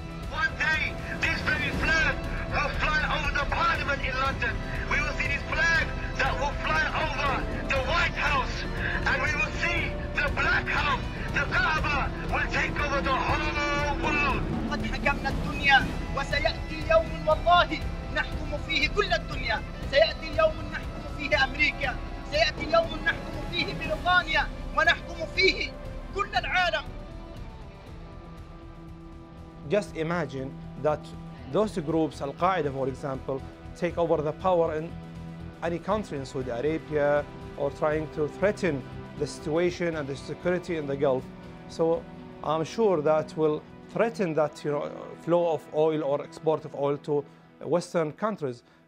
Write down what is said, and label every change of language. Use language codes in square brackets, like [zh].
[en] One day, this very flag will fly over the parliament in London. We will see this flag that will fly over the White House, and we will see the Black House. The Kaaba will take over the whole world. [ar] حكمنا الدنيا وسيأتي يوم والله نحكم فيه كل الدنيا. سيأتي يوم نحكم فيه أمريكا. سيأتي يوم نحكم فيه بريطانيا ونحكم فيه. [en] Just imagine that those groups, Al-Qaeda for example, take over the power in any country in Saudi Arabia or trying to threaten the situation and the security in the Gulf. So I'm sure that will threaten that, you know, flow of oil or export of oil to Western countries.